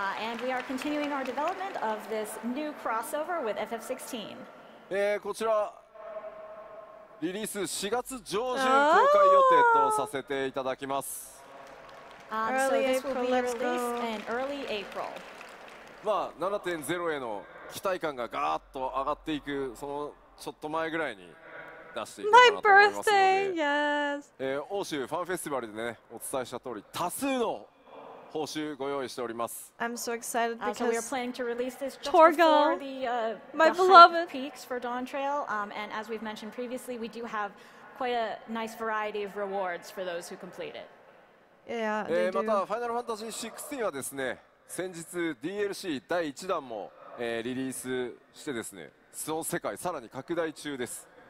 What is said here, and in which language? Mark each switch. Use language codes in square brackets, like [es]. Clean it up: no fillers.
[en] And we are continuing our development of this new crossover with FF16. [ja] こちら、リリース 4月上旬公開予定とさせていただきます。 7.0への期待感がガーッと上がっていくそのちょっと前ぐらいに出していただきますので、欧州ファンフェスティバルでね、お伝えした通り多数の報酬ご用意しております。 [en] I'm so excited because we are planning to release this just Torgal, before the peaks for Dawn Trail. And as we've mentioned previously, we do have quite a nice variety of rewards for those who complete it. Yeah, they do. [ja] また、Final Fantasy 16はですね、先日 DLC 第1弾も、リリースしてですね、その世界さらに拡大中です。